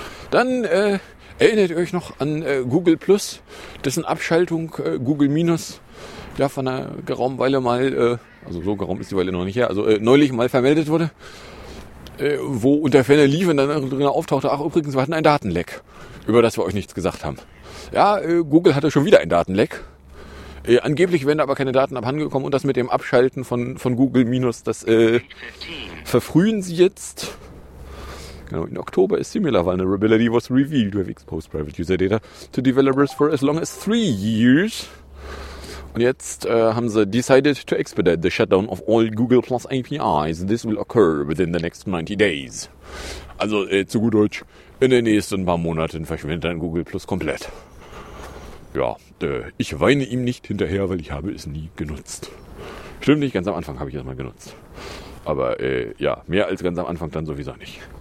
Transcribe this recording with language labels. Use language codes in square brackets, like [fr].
[de] Dann, erinnert ihr euch noch an Google Plus, dessen Abschaltung Google Minus ja von einer geraumen Weile mal, also so geraum ist die Weile noch nicht her, also neulich mal vermeldet wurde, wo unter Ferne lief und dann drin auftauchte, ach übrigens, wir hatten ein Datenleck, über das wir euch nichts gesagt haben. Ja, Google hatte schon wieder ein Datenleck. Angeblich werden aber keine Daten abhandengekommen und das mit dem Abschalten von Google Minus, das verfrühen sie jetzt. Genau, in Oktober [en] a similar vulnerability was revealed to have exposed private user data to developers for as long as 3 years. [de] Und jetzt haben sie [en] decided to expedite the shutdown of all Google Plus APIs. This will occur within the next 90 days. [de] Also zu gut Deutsch, in den nächsten paar Monaten verschwindet dann Google Plus komplett. Ja, ich weine ihm nicht hinterher, weil ich habe es nie genutzt. Stimmt nicht, ganz am Anfang habe ich es mal genutzt. Aber ja, mehr als ganz am Anfang dann sowieso nicht.